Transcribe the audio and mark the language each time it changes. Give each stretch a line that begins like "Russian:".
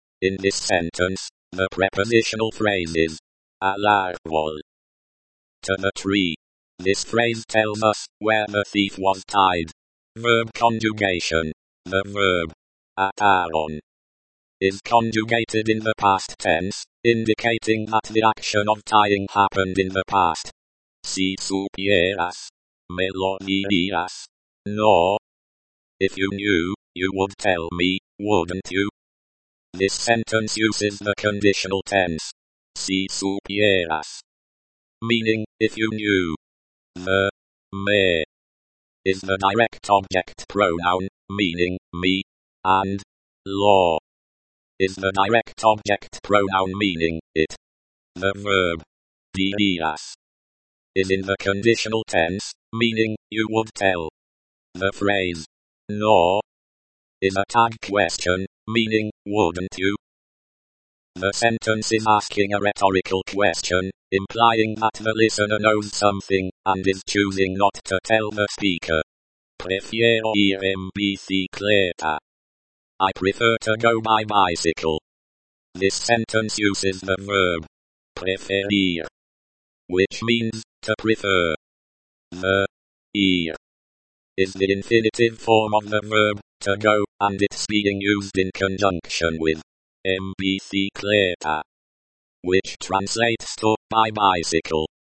English: In this sentence, the prepositional phrase is al árbol, to the tree. This phrase tells us where the thief was tied. Verb conjugation. The verb ataron is conjugated in the past tense, indicating that the action of tying happened in the past.
Spanish: Si supieras, me lo dirías. No.
English: If you knew, you would tell me, wouldn't you? This sentence uses the conditional tense.
Spanish: Si supieras.
English: meaning, if you knew. The, me, is the direct object pronoun, meaning, me, and, law, is the direct object pronoun meaning, it. The verb, dirías, is in the conditional tense, meaning, you would tell. The phrase, no, is a tag question, meaning, wouldn't you? The sentence is asking a rhetorical question, implying that the listener knows something, and is choosing not to tell the speaker.
Spanish: Prefiero ir en bicicleta.
English: I prefer to go by bicycle. This sentence uses the verb preferir, which means to prefer. The ir is the infinitive form of the verb to go, and it's being used in conjunction with
Spanish: en bicicleta,
English: which translates to by bicycle.